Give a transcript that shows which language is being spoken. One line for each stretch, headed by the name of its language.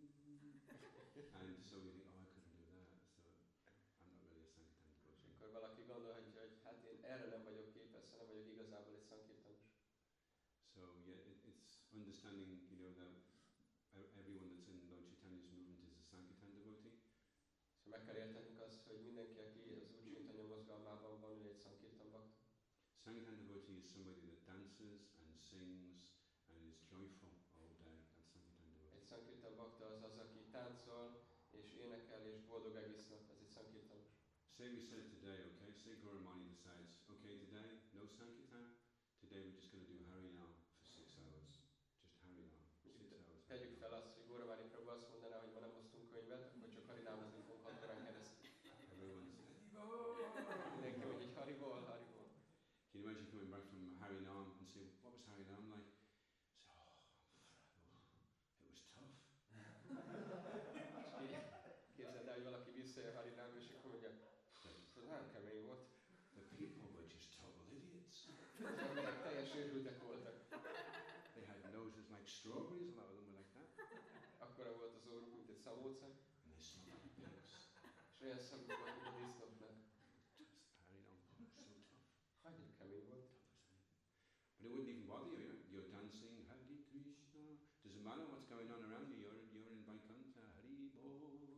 English: And so we think, oh, I couldn't do that, so I'm not really a Sankirtan coach.
Hungarian: Akkor valaki gondolhatja, hogy hát én erre nem vagyok képes, hanem vagyok igazából egy Sankirtanos.
English: So yeah, it's understanding, you know, that everyone that's in Lord Chaitanya's movement is a Sankirtan devotee.
Hungarian: So meg kell értenünk azt, hogy mindenki, aki az Lord Chaitanya mozgalmában van, ő egy Sankirtan bhakta.
English: Sankirtan devotee is somebody that dances and sings and is joyful all day. That's Sankirtan devotee.
Hungarian: Egy Sankirtan bhakta az az, aki táncol és énekel és boldog egész nap. Ez egy Sankirtanos.
English: Say we said today, okay? Say Guru Mani decides, okay, today no Sankirtan. Today we're just going to do Harinam for 6 hours. Just Harinam.
Hungarian: Tegyük fel azt, hogy Guru Mani Prabhu azt mondaná, hogy ma nem hoztunk könyvet, akkor csak Harinamozni fogunk 6 órán keresztül.
English: Everyone said,
Hungarian: mindenki mondja, hogy Haribol, Haribol.
English: Can you imagine coming back from Harinam and saying, what was Harinam like? So, oh, it was tough.
Hungarian: Képzeld el, hogy valaki visszajön Harinam, és akkor mondja, ez nagyon kemény volt.
English: The people were just total idiots.
Hungarian: Az emberek teljes őrültek voltak.
English: They had noses like strawberries, a lot of them were like that.
Hungarian: Akkora volt az orruk, mint egy szabóca.
English: And they smelled like pigs.
Hungarian: És olyan szabó volt, mint a disznóknak.
English: Just Harinam, so tough.
Hungarian: Hagyjuk kemény volt.
English: But it wouldn't even bother you, you're dancing, Hare Krishna. Doesn't matter what's going on around you, you're in Vaikuntha, Hari Bol, Hari Bol.